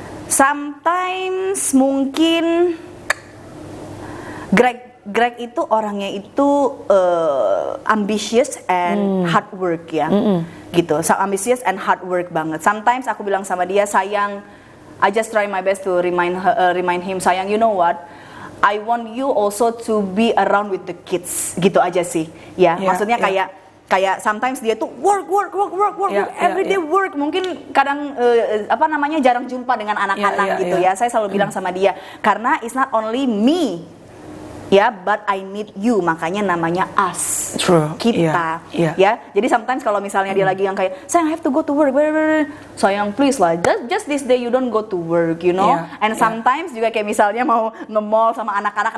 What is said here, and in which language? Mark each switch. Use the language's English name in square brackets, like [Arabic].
[Indonesian] Sometimes mungkin Greg itu orangnya itu [English] ambitious and hard work [Indonesian] ya, gitu. [English] So ambitious and hard work [Indonesian] banget. [English] Sometimes [Indonesian] aku bilang sama dia, sayang, [English] I just try my best to remind him, sayang, you know what? I want you also to be around with the kids, [Indonesian] gitu aja sih. Ya, yeah, maksudnya kayak. Yeah. Kayak sometimes dia tuh work, everyday work. Mungkin kadang jarang jumpa dengan anak-anak ya. Saya selalu bilang sama dia, karena [English] it's not only me, but I need you. [Indonesian] Makanya namanya us. [English] True. [Indonesian] Kita. Jadi sometimes kalau misalnya dia lagi yang kayak, sayang, [English] I have to go to work. [Indonesian] Sayang, please lah. [English] Just this day you don't go to work, you know. [Indonesian] Yeah. [English] And sometimes [Indonesian] juga kayak misalnya mau nge-mall sama anak-anak.